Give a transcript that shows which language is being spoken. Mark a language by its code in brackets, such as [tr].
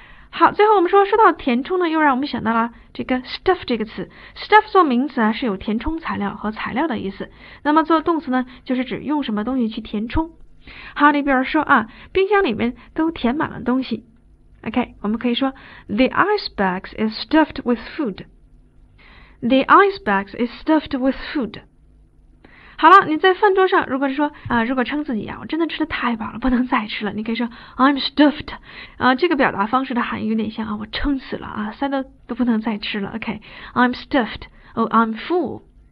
[zh] 好，最后我们说，说到填充呢，又让我们想到了这个 stuff 这个词。 stuff 做名词啊，是有填充材料和材料的意思。那么做动词呢，就是指用什么东西去填充。好，你比如说啊，冰箱里面都填满了东西。 [en] OK， [zh] 我们可以说 [en] The ice box is stuffed with food. The ice box is stuffed with food. [zh] 好了，你在饭桌上，如果说啊、如果称自己啊，我真的吃的太饱了，不能再吃了，你可以说 [en] I'm stuffed， [zh] 啊、这个表达方式的含义有点像啊，我撑死了啊，塞的都不能再吃了。 [en] OK，I'm stuffed， 哦 ，I'm full。